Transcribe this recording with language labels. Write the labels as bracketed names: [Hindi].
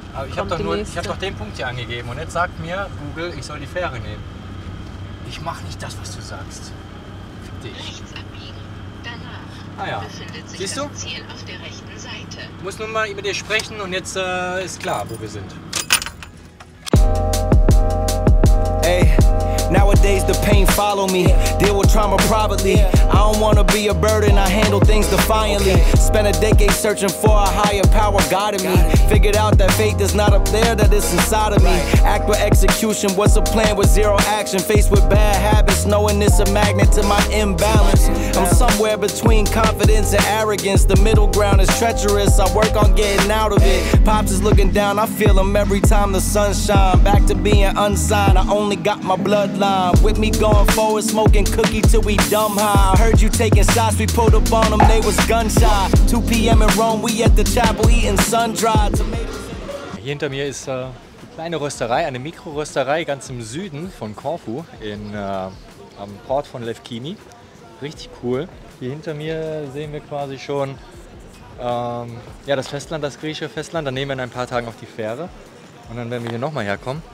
[German] Aber ich hab doch den Punkt hier angegeben und jetzt sagt mir Google, ich soll die Fähre nehmen. Ich mach nicht das, was du sagst. Fick dich. Rechts abbiegen. Danach befindet sich das Ziel auf der rechten Seite. Ich muss nur mal mit dir sprechen und jetzt ist klar, wo wir sind. [English] Nowadays the pain follow me, deal with trauma privately. I don't wanna be a burden, I handle things defiantly. Spent a decade searching for a higher power guiding me. Figured out that faith is not up there, that it's inside of me. Act with execution, what's a plan with zero action? Faced with bad habits, knowing it's a magnet to my imbalance. I'm somewhere between confidence and arrogance. The middle ground is treacherous, I work on getting out of it. Pops is looking down, I feel him every time the sun shine. Back to being unsigned, I only got my bloodline. With me going forward, smoking cookie till we dumb high. I heard you taking shots, we pulled up on them, they was gun shy. 2 p.m. in Rome, we at the chapel eating sun-dried tomatoes. [German] Hier hinter mir ist eine kleine Rösterei, eine Mikrorösterei ganz im Süden von Corfu, am Port von Lefkini. Richtig cool. Hier hinter mir sehen wir quasi schon das Festland, das griechische Festland. Dann nehmen wir in ein paar Tagen auf die Fähre und dann werden wir hier nochmal herkommen.